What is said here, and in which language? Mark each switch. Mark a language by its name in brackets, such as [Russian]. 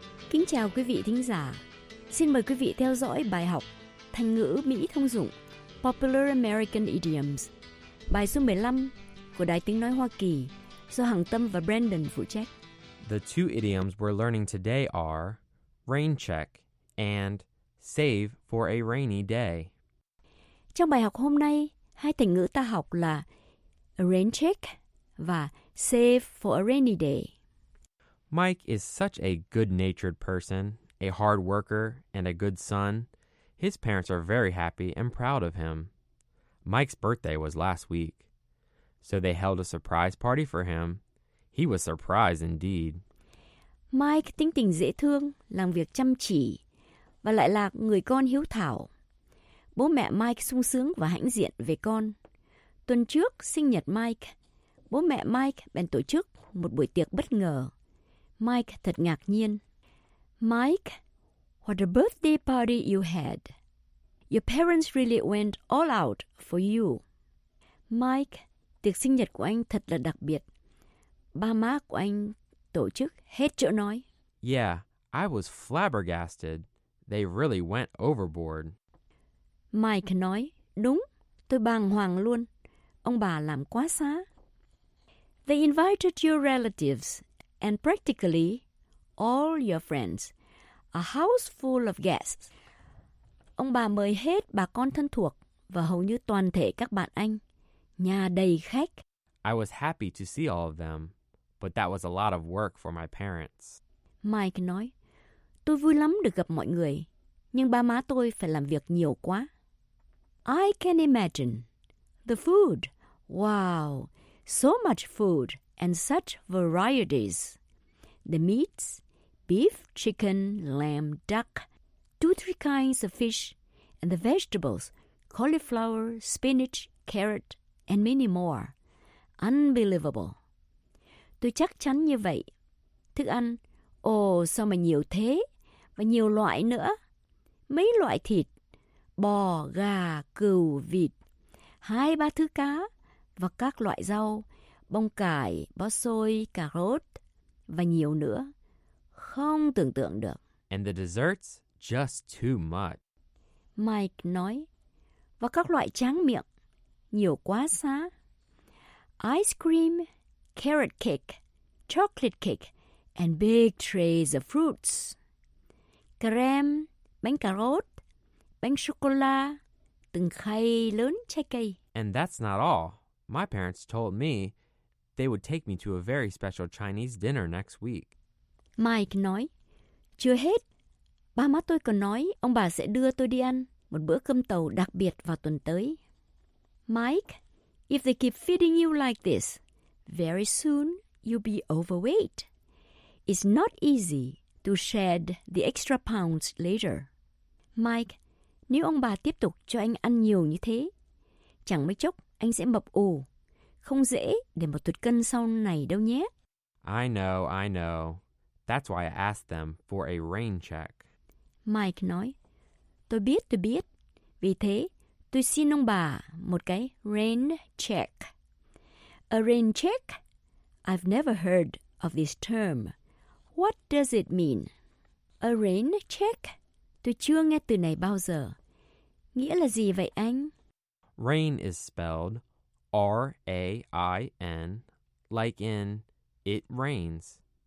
[Vietnamese] Kính chào quý vị thính giả. Xin mời quý vị theo dõi bài học thành ngữ Mỹ thông dụng Popular American Idioms, bài số 15 của Đài Tiếng Nói Hoa Kỳ. So Hằng Tâm và Brandon phụ trách. [English] The two idioms we're learning today are rain check and save for a rainy day. [Vietnamese] Trong bài học hôm nay, hai thành ngữ ta học là a rain check và save for a rainy day. [English] Mike is such a good-natured person, a hard worker, and a good son. His parents are very happy and proud of him. Mike's birthday was last week. So they held a surprise party for him. He was surprised indeed. [Vietnamese] Mike tính tình dễ thương, làm việc chăm chỉ và lại là người con hiếu thảo. Bố mẹ Mike sung sướng và hãnh diện về con. Tuần trước sinh nhật Mike, bố mẹ Mike bèn tổ chức một buổi tiệc bất ngờ. Mike thật ngạc nhiên. [English] Mike, what a birthday party you had. Your parents really went all out for you. [Vietnamese] Mike, tiệc sinh nhật của anh thật là đặc biệt. Ba má của anh tổ chức hết chỗ nói. [English] Yeah, I was flabbergasted. They really went overboard. [Vietnamese] Mike nói, đúng, tôi bàng hoàng luôn. Ông bà làm quá xá. [English] They invited your relatives and practically all your friends. A house full of guests. [Vietnamese] Ông bà mời hết bà con thân thuộc và hầu như toàn thể các bạn anh. Nhà đầy khách. [English] I was happy to see all of them, but that was a lot of work for my parents. [Vietnamese] Mike nói, tôi vui lắm được gặp mọi người, nhưng ba má tôi phải làm việc nhiều quá. [English] I can imagine. The food. Wow. So much food and such varieties. The meats. Beef, chicken, lamb, duck. 2-3 kinds of fish. And the vegetables. Cauliflower, spinach, carrot. And many more. Unbelievable. [Vietnamese] Tôi chắc chắn như vậy. Thức ăn, sao mà nhiều thế? Và nhiều loại nữa. Mấy loại thịt? Bò, gà, cừu, vịt. 2-3 thứ cá. Và các loại rau. Bông cải, bó xôi, cà rốt. Và nhiều nữa. Không tưởng tượng được. [English] And the desserts? Just too much. [Vietnamese] Mike nói. Và các loại tráng miệng. Nhiều quá xá. [English] Ice cream, carrot cake, chocolate cake, and big trays of fruits. [Vietnamese] Kem, bánh cà rốt, bánh sô-cô-la, từng khay lớn trái cây. [English] And that's not all. My parents told me they would take me to a very special Chinese dinner next week. [Vietnamese] Mike nói, chưa hết, ba má tôi còn nói ông bà sẽ đưa tôi đi ăn một bữa cơm tàu đặc biệt vào tuần tới. [English] Mike, if they keep feeding you like this, very soon you'll be overweight. It's not easy to shed the extra pounds later. [Vietnamese] Mike, nếu ông bà tiếp tục cho anh ăn nhiều như thế, chẳng mấy chốc anh sẽ mập ù. Không dễ để mà tụt cân sau này đâu nhé. [English] I know, that's why I asked them for a rain check. [Vietnamese] Mike nói, tôi biết, vì thế. Tôi xin ông bà một cái rain check. [English] A rain check? I've never heard of this term. What does it mean? A rain check? [Vietnamese] Tôi chưa nghe từ này bao giờ. Nghĩa là gì vậy anh? [English] Rain is spelled R-A-I-N, like in it rains.